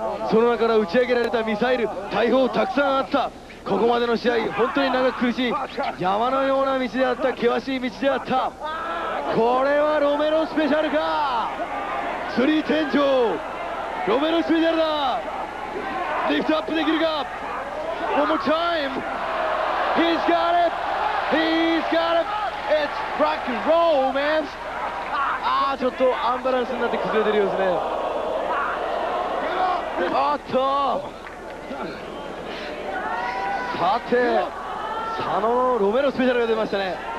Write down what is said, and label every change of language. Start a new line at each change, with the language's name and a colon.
Japanese: その中から打ち上げられたミサイル、大砲たくさんあった。ここまでの試合、本当に長く苦しい山のような道であった、険しい道であった。これはロメロスペシャルか、釣り天井、ロメロスペシャルだ。
English: リフトアップできるか、 One more time、 He's got it、 He's got it、 It's rock and roll man。
Japanese: ちょっとアンバランスになって崩れてるようですね。あっと、さて、佐野のロメロスペシャルが出ましたね。